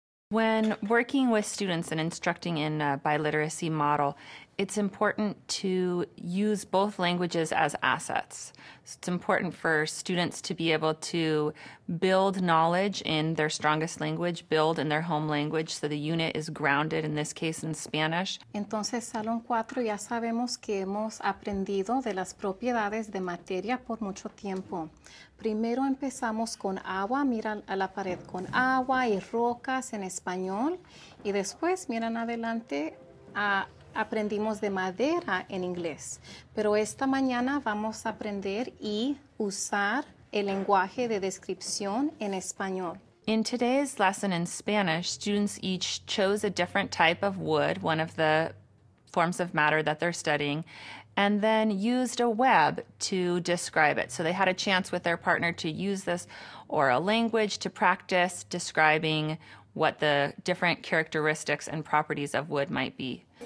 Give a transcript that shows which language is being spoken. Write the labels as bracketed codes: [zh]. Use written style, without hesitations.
[en] When working with students and instructing in a biliteracy model, it's important to use both languages as assets. It's important for students to be able to build knowledge in their strongest language, build in their home language, so the unit is grounded, in this case, in Spanish. [es] Entonces, salón 4, ya sabemos que hemos aprendido de las propiedades de materia por mucho tiempo. Primero empezamos con agua, mira a la pared, con agua y rocas en español, y después miran adelante a aprendimos de madera en inglés, pero esta mañana vamos a aprender y usar el lenguaje de descripción en español. [en] In today's lesson in Spanish, students each chose a different type of wood, one of the forms of matter that they're studying, and then used a web to describe it. So they had a chance with their partner to use this oral language to practice describing what the different characteristics and properties of wood might be.